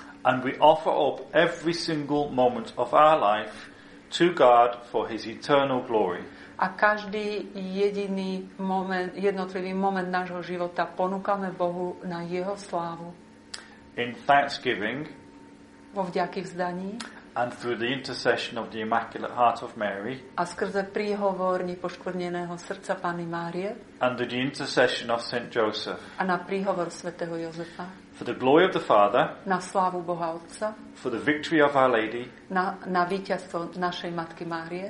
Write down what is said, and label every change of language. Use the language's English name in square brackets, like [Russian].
[English] And we offer up every single moment of our life to God for his eternal glory. [Slovak] A každý jediný moment, jednotlivý moment nášho života ponúkame Bohu na jeho slávu. [English] In thanksgiving, [Slovak] vo vďaky vzdaní, [English] and through the intercession of the Immaculate Heart of Mary, [Slovak] a skrze príhovor nepoškvrneného srdca Panny Márie, [English] and through the intercession of Saint Joseph, [Slovak] a na príhovor svätého Jozefa, [English] for the glory of the Father, [Slovak] na slávu Boha Otca, [English] for the victory of Our Lady, [Slovak] na víťazstvo našej Matky Márie,